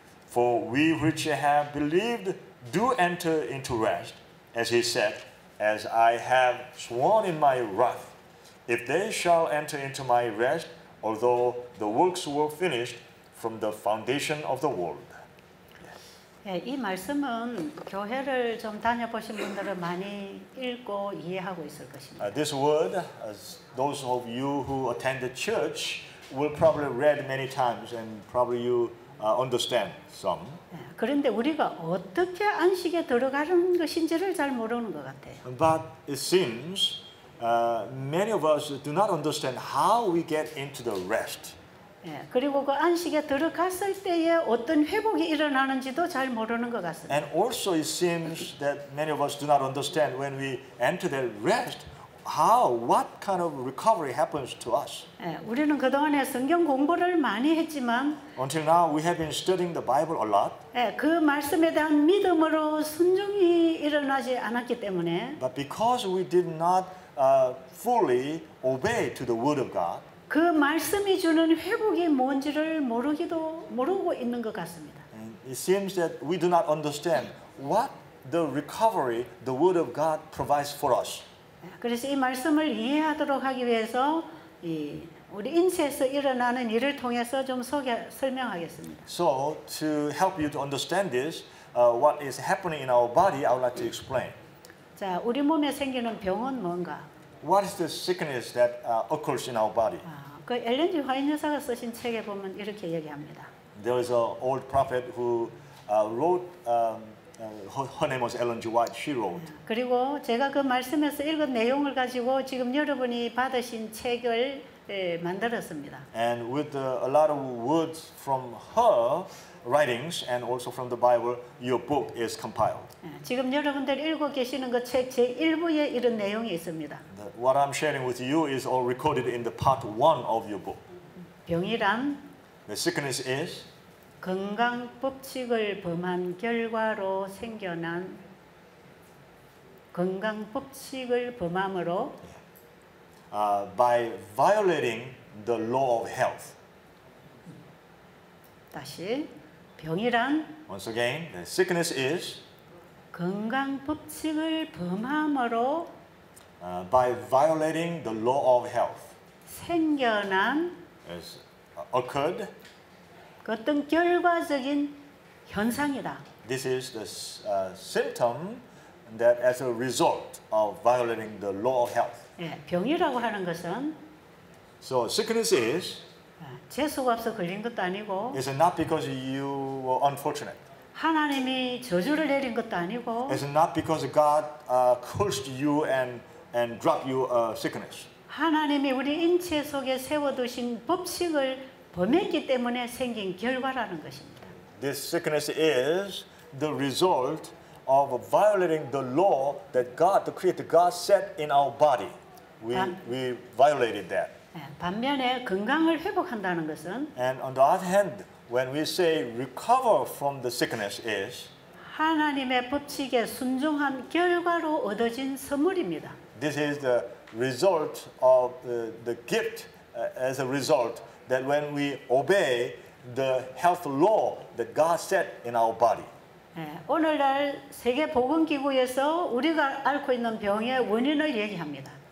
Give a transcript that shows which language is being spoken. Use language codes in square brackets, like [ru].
[en] For we which have believed do enter into rest, as he said, as I have sworn in my wrath, if they shall enter into my rest, although the works were finished from the foundation of the world. [ko] 예, 이 말씀은 교회를 좀 다녀보신 분들은 많이 읽고 이해하고 있을 것입니다. [en] This word, as those of you who attend the church, will probably read many times and probably you understand some. [ko] 예, 그런데 우리가 어떻게 안식에 들어가는 것인지를 잘 모르는 것 같아요. [en] But it seems many of us do not understand how we get into the rest. [ko] 예, 그리고 그 안식에 들어갔을 때에 어떤 회복이 일어나는지도 잘 모르는 것 같습니다. [en] And also it seems that many of us do not understand when we enter that rest, how, what kind of recovery happens to us. [ko] 예, 우리는 그동안에 성경 공부를 많이 했지만 [en] Until now we have been studying the Bible a lot. [ko] 예, 그 말씀에 대한 믿음으로 순종이 일어나지 않았기 때문에 [en] But because we did not fully obey to the word of God, [ko] 그 말씀이 주는 회복이 뭔지를 모르고 있는 것 같습니다. [en] And it seems that we do not understand what the recovery the word of God provides for us. [ko] 그래서 이 말씀을 이해하도록 하기 위해서 우리 인체에서 일어나는 일을 통해서 좀 설명하겠습니다. [en] So to help you to understand this, what is happening in our body, I would like to explain. [ko] 자, 우리 몸에 생기는 병은 뭔가? [en] What is the sickness that occurs in our body? [ko] 그 엘렌 G 화이트 여사가 쓰신 책에 보면 이렇게 얘기합니다. [en] There is an old prophet who wrote her name was Ellen G. White. She wrote. [ko] 그리고 제가 그 말씀에서 읽은 내용을 가지고 지금 여러분이 받으신 책을 만들었습니다. [en] And with a lot of words from her writings and also from the Bible, your book is compiled. [ko] 지금 여러분들 읽고 계시는 그 책 제 1부에 이런 내용이 있습니다. [en] What I'm sharing with you is all recorded in the part one of your book. [ko] 병이란 [en] The sickness is [ko] 건강 법칙을 범한 결과로 생겨난 건강 법칙을 범함으로 [en] By violating the law of health. [ko] 다시 병이란 [en] Once again, the sickness is [ko] 건강 법칙을 범함으로 [en] By violating the law of health. [ko] 생겨난 [en] is occurred [ko] 그 어떤 결과적인 현상이다. [en] This is the symptom that as a result of violating the law of health. [ko] 예, 병이라고 하는 것은 [en] So sickness is [ko] 재수가 없어 걸린 것도 아니고 [en] It's not because you were unfortunate. [ko] 하나님이 저주를 내린 것도 아니고 [en] It's not because God cursed you and dropped you a sickness. [ko] 하나님이 우리 인체 속에 세워두신 법칙을 범했기 때문에 생긴 결과라는 것입니다. [en] This sickness is the result of violating the law that God, the Creator God, set in our body. We violated that. [ko] 반면에 건강을 회복한다는 것은 [en] And on the other hand, when we say recover from the sickness is [ko] 하나님의 법칙에 순종한 결과로 얻어진 선물입니다. [en] This is the result of the gift as a result that when we obey the health law that God set in our body. [ko] 예, 오늘날 세계 보건 기구에서 우리가 앓고 있는 병의 원인을 얘기합니다.